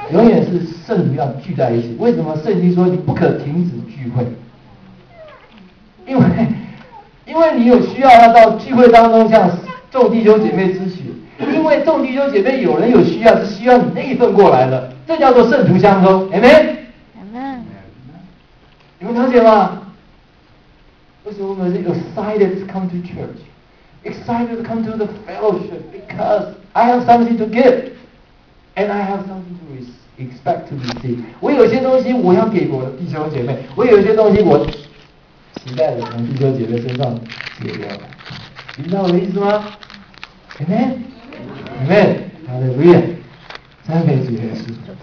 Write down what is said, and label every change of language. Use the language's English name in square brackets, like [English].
[Chinese] 永远是圣灵要聚在一起。为什么圣经说你不可停止聚会？因为你有需要要到聚会当中向众弟兄姐妹支取，因为众弟兄姐妹有人有需要是需要你那一份过来的，这叫做圣徒相通。 Amen。你们了解吗？为什么我们是 [English] excited to come to church， excited to come to the fellowship？ Because I have something to give and I have something to expect to receive。 [Chinese] 我有些东西我要给我的弟兄姐妹，我有些东西我期待着从弟兄姐妹身上解决了，明白我的意思吗？Amen。 Amen。 Hallelujah。赞美主耶稣。